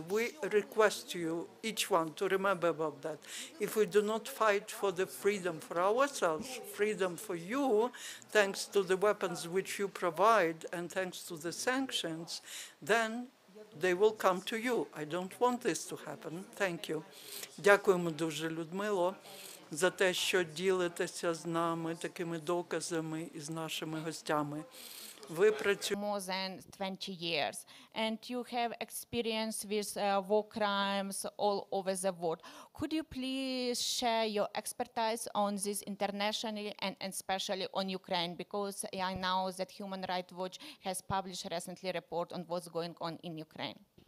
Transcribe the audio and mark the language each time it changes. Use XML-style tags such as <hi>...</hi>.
<en>We request you, each one, to remember about that. If we do not fight for the freedom for ourselves, freedom for you, thanks to the weapons which you provide and thanks to the sanctions, then they will come to you. I don't want this to happen. Thank you.</en> <uk>Дякуємо дуже, Людмило, за те, що ділитеся з нами такими доказами і з нашими гостями. Ви працюєте</uk> <en>more than 20 years and you have experience with war crimes all over the world. Could you please share your expertise on this internationally and especially on Ukraine, because I know that Human Rights Watch has published recently a report on what's going on in Ukraine.</en>